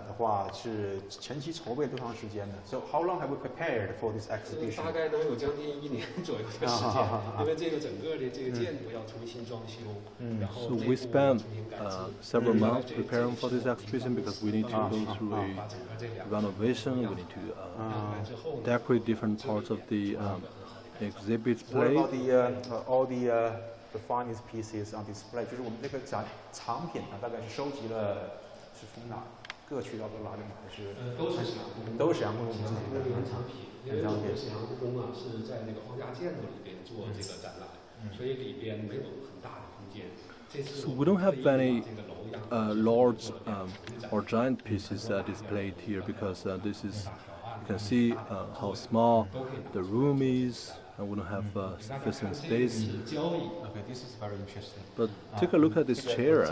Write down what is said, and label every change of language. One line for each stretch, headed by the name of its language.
English: So how long have we prepared for this exhibition?
Chinese: 大概都有将近一年左右的时间，因为这个整个的这个建筑要重新装修，然后
English: So we spent several months preparing for this exhibition because we need to go through a renovation. We need to decorate different parts of the exhibit place. What about the all the the finest pieces on display,
Chinese: 就是我们这个展藏品啊，大概是收集了是从哪各渠道都拿的吗？还是都是沈阳故宫自己的原藏品？原藏品。因为沈阳故宫啊是在那个皇家建筑里边做这个展览，所以里边没有很大的空间。
English: So we don't have any large or giant pieces displayed here because this is, you can see how small the room is. And we don't have sufficient space. Okay, this is very interesting. But take a look at this chair.